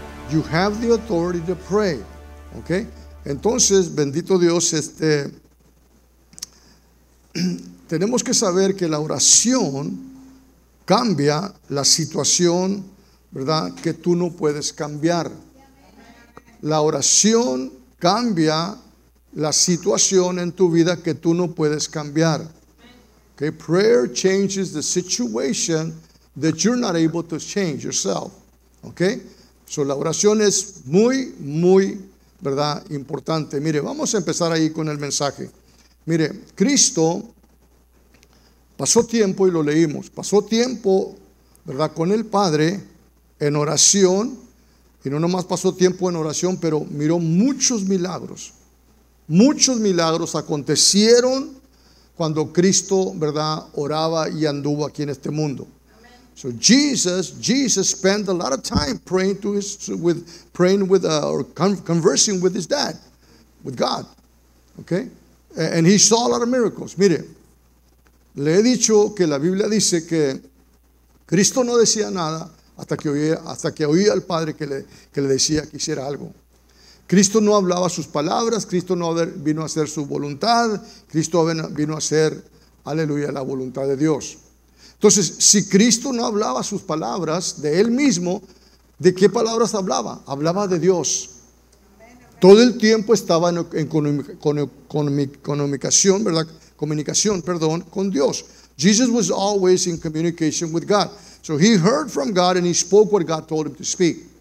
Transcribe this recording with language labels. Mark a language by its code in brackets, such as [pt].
[en] You have the authority to pray. [es] ¿Ok? Entonces, bendito Dios, tenemos que saber que la oración cambia la situación, ¿verdad? Que tú no puedes cambiar. La oración cambia la situación en tu vida que tú no puedes cambiar. [en] Okay, prayer changes the situation that you're not able to change yourself. Okay? [es] So la oración es muy, muy, ¿verdad?, importante. Mire, vamos a empezar ahí con el mensaje. Mire, Cristo pasó tiempo, y lo leímos, pasó tiempo, ¿verdad?, con el Padre en oración, y no nomás pasó tiempo en oración, pero miró muchos milagros. Muchos milagros acontecieron cuando Cristo, ¿verdad?, oraba y anduvo aquí en este mundo. [en] Amen. So Jesus spent a lot of time conversing with his dad, with God. Okay? And he saw a lot of miracles. [es] Mire, le he dicho que la Biblia dice que Cristo no decía nada hasta que oía al Padre que le decía que hiciera algo. Cristo no hablaba sus palabras, Cristo no vino a hacer su voluntad, Cristo vino a hacer, aleluya, la voluntad de Dios. Entonces, si Cristo no hablaba sus palabras de Él mismo, ¿de qué palabras hablaba? Hablaba de Dios. Todo el tiempo estaba en comunicación con Dios. [en] Jesus was always in communication with God. So he heard from God and he spoke what God told him to speak.